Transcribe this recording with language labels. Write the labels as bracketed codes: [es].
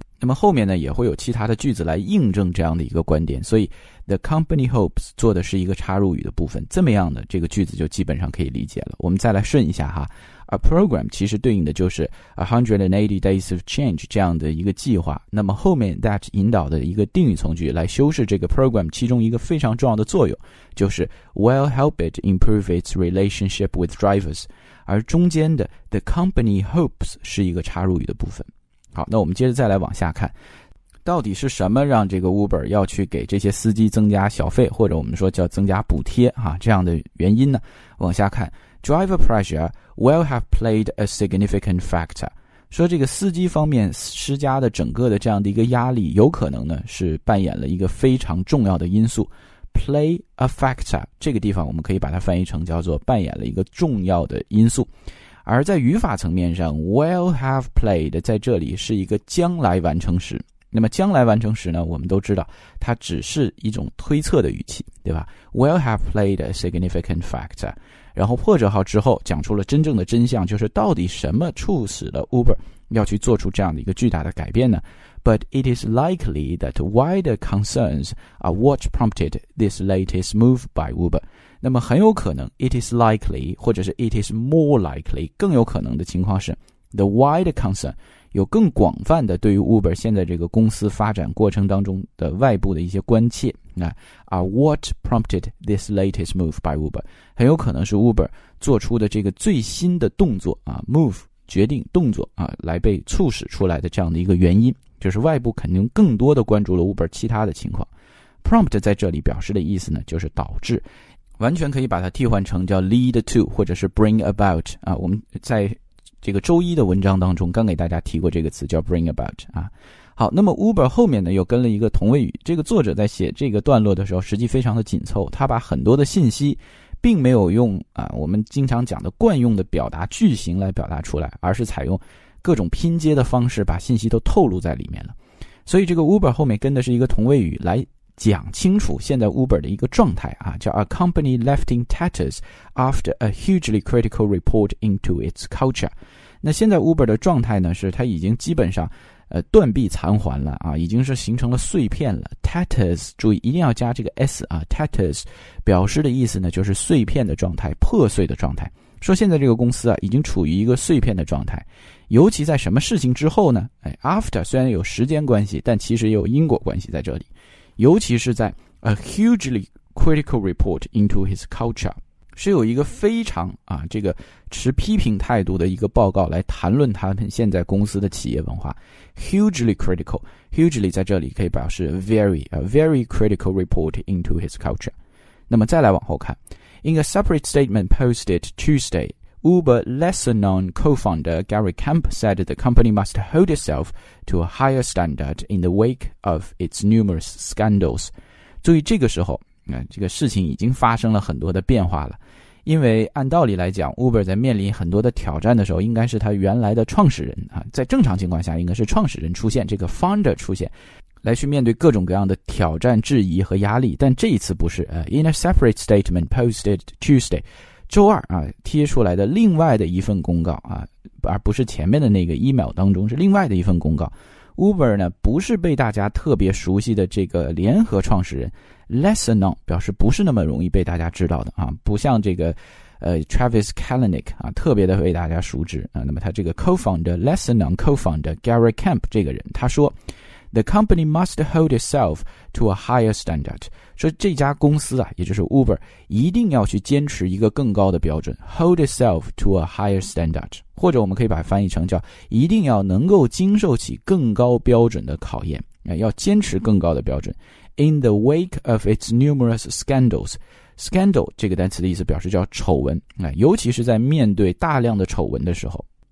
[zh] 那么后面呢也会有其他的句子来印证这样的一个观点，所以 [en] the company hopes [zh] 做的是一个插入语的部分，这么样的这个句子就基本上可以理解了。我们再来顺一下哈， [en] a program [zh] 其实对应的就是 [en] 180 days of change [zh] 这样的一个计划，那么后面 that 引导的一个定语从句来修饰这个 program 其中一个非常重要的作用，就是 [en] will help it improve its relationship with drivers， [zh] 而中间的 the company hopes 是一个插入语的部分。好，那我们接着再来往下看，到底是什么让这个 Uber 要去给这些司机增加小费，或者我们说叫增加补贴啊，这样的原因呢？往下看 [en] ，Driver pressure will have played a significant factor。 [zh] 说这个司机方面施加的整个的这样的一个压力，有可能呢是扮演了一个非常重要的因素。 [en] Play a factor [zh] 这个地方我们可以把它翻译成叫做扮演了一个重要的因素。而在语法层面上 will have played 在这里是一个将来完成时，那么将来完成时呢我们都知道它只是一种推测的语气，对吧？ [en] will have played a significant factor， [zh] 然后破折号之后讲出了真正的真相，就是到底什么促使了 Uber 要去做出这样的一个巨大的改变呢？ [en] but it is likely that wider concerns are what prompted this latest move by Uber。 [zh] 那么很有可能 [en] it is likely [zh] 或者是 [en] it is more likely [zh] 更有可能的情况是 [en] the wider concern [zh] 有更广泛的对于 Uber 现在这个公司发展过程当中的外部的一些关切，那 [en] are what prompted this latest move by Uber， [zh] 很有可能是 Uber 做出的这个最新的动作啊 move 决定动作啊来被促使出来的这样的一个原因，就是外部肯定更多的关注了 Uber 其他的情况。 prompt 在这里表示的意思呢就是导致，完全可以把它替换成叫 [en] lead to [zh] 或者是 [en] bring about [zh] 啊，我们在这个周一的文章当中刚给大家提过这个词叫 bring about 啊。好，那么 Uber 后面呢又跟了一个同位语，这个作者在写这个段落的时候实际非常的紧凑，他把很多的信息并没有用啊我们经常讲的惯用的表达句型来表达出来，而是采用各种拼接的方式把信息都透露在里面了。所以这个 Uber 后面跟的是一个同位语，来讲清楚现在 Uber 的一个状态啊，叫 [en] A company left in tatters after a hugely critical report into its culture。 [zh] 那现在 Uber 的状态呢，是它已经基本上断壁残垣了啊，已经是形成了碎片了。 tatters， 注意一定要加这个 s 啊， tatters 表示的意思呢就是碎片的状态，破碎的状态，说现在这个公司啊已经处于一个碎片的状态。尤其在什么事情之后呢，哎， after 虽然有时间关系，但其实也有因果关系在这里，尤其是在 [en] a hugely critical report into his culture， [zh] 是有一个非常啊这个持批评态度的一个报告来谈论他们现在公司的企业文化。 [en] hugely critical， hugely [zh] 在这里可以表示 [en] very， a very critical report into his culture。 [zh] 那么再来往后看， [en] In a separate statement posted Tuesday, Uber lesser known co-founder Gary Kemp said the company must hold itself to a higher standard in the wake of its numerous scandals。 [zh] 注意这个时候这个事情已经发生了很多的变化了，因为按道理来讲 Uber 在面临很多的挑战的时候，应该是他原来的创始人啊，在正常情况下应该是创始人出现，这个 founder 出现来去面对各种各样的挑战、质疑和压力，但这一次不是。 [en] In a separate statement posted Tuesday， [zh] 周二啊贴出来的另外的一份公告啊，而不是前面的那个 email 当中，是另外的一份公告。 Uber 呢，不是被大家特别熟悉的这个联合创始人 [en] lesser known， [zh] 表示不是那么容易被大家知道的啊，不像这个Travis Kalanick 啊特别的为大家熟知啊。那么他这个 co-founder [en] lesser known co-founder [zh] Gary Kemp 这个人，他说。 [en] The company must hold itself to a higher standard. [zh] 说这家公司啊，也就是 Uber， 一定要去坚持一个更高的标准。 [en] Hold itself to a higher standard， [zh] 或者我们可以把它翻译成叫一定要能够经受起更高标准的考验，要坚持更高的标准。 [en] In the wake of its numerous scandals， [zh] scandal 这个单词的意思表示叫丑闻，尤其是在面对大量的丑闻的时候。